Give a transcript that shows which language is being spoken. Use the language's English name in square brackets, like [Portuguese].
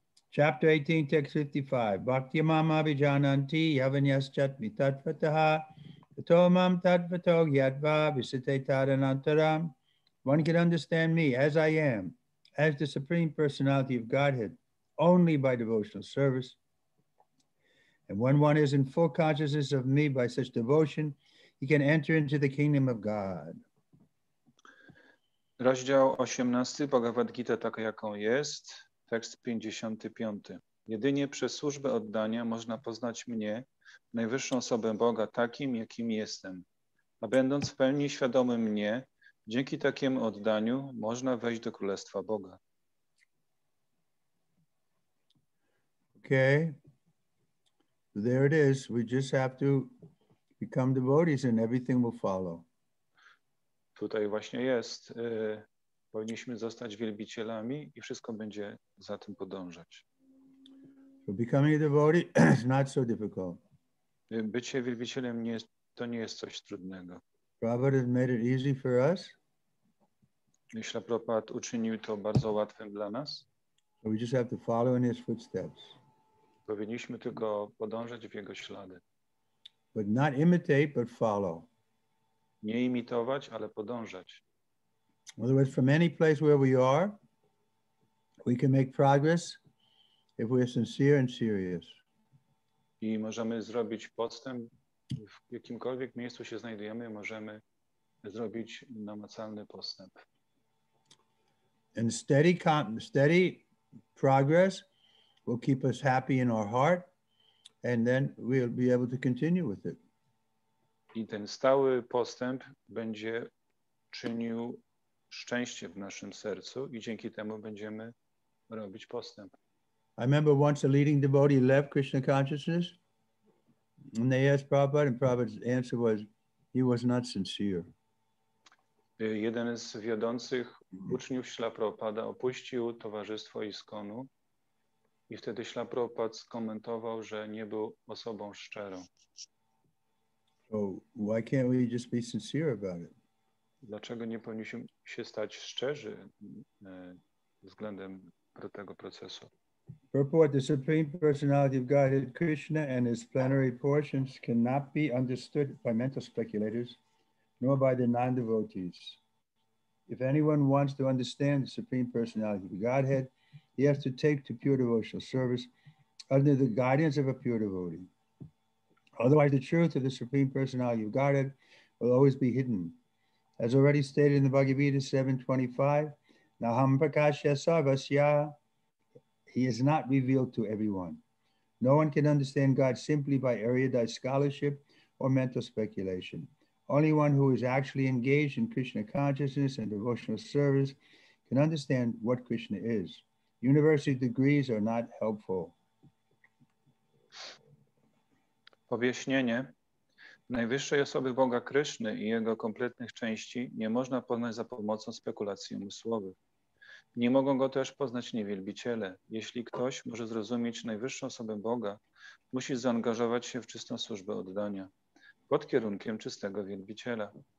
[English] Chapter 18, text 55. [Sanskrit] Bhakti mama vijananti yavanyaschat mitatvataha tatomam tatvato yadva visite taranantaram. [English] One can understand me as I am, as the Supreme Personality of Godhead, only by devotional service. And when one is in full consciousness of me by such devotion, he can enter into the kingdom of God. [Polish] Rozdział 18 Bhagavad Gita taka jaką jest, tekst 55. Jedynie przez służbę oddania można poznać mnie, najwyższą osobę Boga, takim, jakim jestem. A będąc w pełni świadomym mnie, dzięki takiemu oddaniu można wejść do Królestwa Boga. [English] Okay. There it is. We just have to become devotees and everything will follow. [Polish] Tutaj właśnie jest. Powinniśmy zostać wielbicielami i wszystko będzie za tym podążać. [English] So becoming a devotee is not so difficult. [Polish] Bycie wielbicielem nie jest, to nie jest coś trudnego. [English] Prabhupada has made it easy for us. [Polish] Śrila Prabhupada uczynił to bardzo łatwym dla nas. [English] So we just have to follow in his footsteps. [Polish] Powinniśmy tylko podążać w jego ślady. [English] But not imitate, but follow. [Polish] Nie imitować, ale podążać. [English] In other words, from any place where we are, we can make progress if we are sincere and serious. [Polish] I możemy zrobić postęp w jakimkolwiek miejscu się znajdujemy, możemy zrobić namacalny postęp. [English] And steady progress will keep us happy in our heart, and then we'll be able to continue with it. [Polish] I ten stały postęp będzie czynił szczęście w naszym sercu i dzięki temu będziemy robić postęp. [English] I remember once a leading devotee left Krishna consciousness, and they asked Prabhupada, and Prabhupada's answer was, he was not sincere. [Polish] Jeden z wiodących uczniów Śrila Prabhupada opuścił towarzystwo ISKCON-u. I wtedy Śrila Prabhupada skomentował, że nie był osobą szczerą. [English] So why can't we just be sincere about it? [Polish] Dlaczego nie powinniśmy się stać szczerzy względem tego procesu? [English] Purport, the Supreme Personality of Godhead Krishna and his plenary portions cannot be understood by mental speculators, nor by the non-devotees. If anyone wants to understand the Supreme Personality of Godhead, he has to take to pure devotional service under the guidance of a pure devotee. Otherwise, the truth of the Supreme Personality of Godhead will always be hidden. As already stated in the Bhagavad Gita 7.25, [Sanskrit] Naham Prakashya Sarvasya, [English] he is not revealed to everyone. No one can understand God simply by erudite scholarship or mental speculation. Only one who is actually engaged in Krishna consciousness and devotional service can understand what Krishna is. University degrees are not helpful. [Polish] Objaśnienie. Najwyższej osoby Boga Kryszny i jego kompletnych części nie można poznać za pomocą spekulacji umysłowych. Nie mogą go też poznać niewielbiciele. Jeśli ktoś może zrozumieć najwyższą osobę Boga, musi zaangażować się w czystą służbę oddania pod kierunkiem czystego wielbiciela.